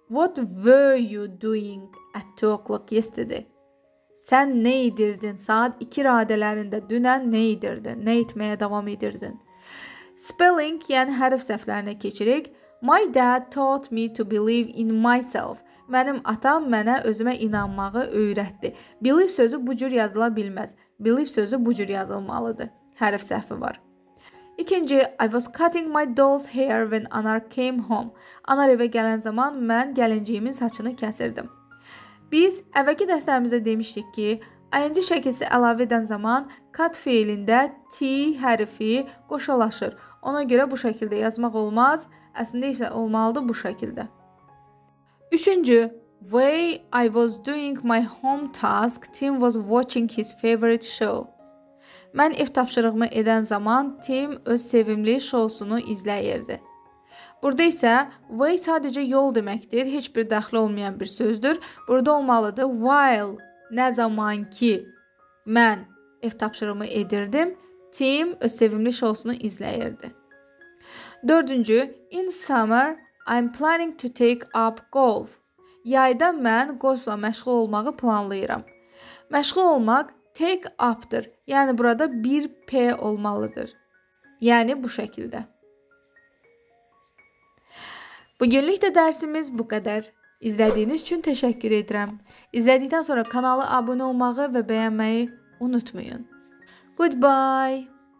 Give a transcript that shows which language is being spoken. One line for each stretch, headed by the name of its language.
English: What were you doing at 2 o'clock yesterday?
Azerbaijani: Sen ne edirdin saat 2 radelerinde dünen ne edirdin? Ne etmeye devam edirdin? Spelling, yani harf səhflərini keçirik.
English: My dad taught me to believe in myself.
Azerbaijani: Mənim atam mənə özümə inanmağı öyrətdi. Believe sözü bu cür yazıla bilməz. Believe sözü bu cür yazılmalıdır. Hərf səhvi var. İkinci,
English: I was cutting my doll's hair when Anar came home.
Azerbaijani: Anar evə gələn zaman mən gəlinciyimin saçını kəsirdim. Biz əvvəlki dərslərimizdə demişdik ki, ing şəkilsi əlavə edən zaman cut fiilində t hərfi qoşalaşır. Ona görə bu şəkildə yazmaq olmaz. Əslində isə olmalıdır bu şəkildə. Üçüncü,
English: way I was doing my home task, Tim was watching his favorite show.
Azerbaijani: Mən ev tapşırığımı edən zaman Tim öz sevimli şovsunu izləyirdi. Burada isə way sadəcə yol deməkdir, heç bir daxil olmayan bir sözdür. Burada olmalıdır while, nə zaman ki mən ev tapşırığımı edirdim, Tim öz sevimli şovsunu izləyirdi. Dördüncü,
English: in summer I'm planning to take up golf.
Azerbaijani: Yayda mən golfla məşğul olmağı planlayıram. Məşğul olmaq take up'dır. Yəni burada bir P olmalıdır. Yəni bu şəkildə. Bugünlük də dərsimiz bu qədər. İzlədiyiniz üçün təşəkkür edirəm. İzlədikdən sonra kanala abunə olmağı və bəyənməyi unutmayın.
English: Goodbye!